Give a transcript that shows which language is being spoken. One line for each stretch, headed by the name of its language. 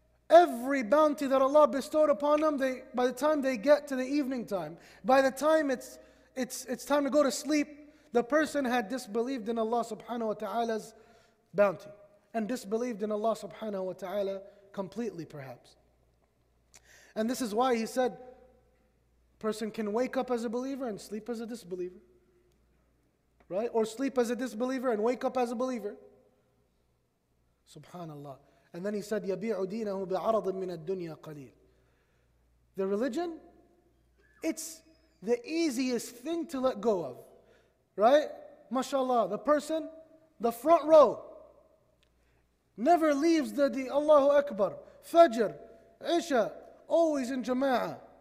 English: every bounty that Allah bestowed upon them, by the time they get to the evening time, by the time it's time to go to sleep, the person had disbelieved in Allah subhanahu wa ta'ala's bounty and disbelieved in Allah subhanahu wa ta'ala completely perhaps. And this is why he said, person can wake up as a believer and sleep as a disbeliever. Right? Or sleep as a disbeliever and wake up as a believer. Subhanallah. And then he said,
Arabic: يَبِيعُ دِينَهُ بِعَرَضٍ مِّنَ الدُّنْيَا قَلِيلٍ.
English: The religion, it's the easiest thing to let go of. Right? MashaAllah, the person, the front row, never leaves the Allahu Akbar, Fajr, Isha, always in Jama'ah.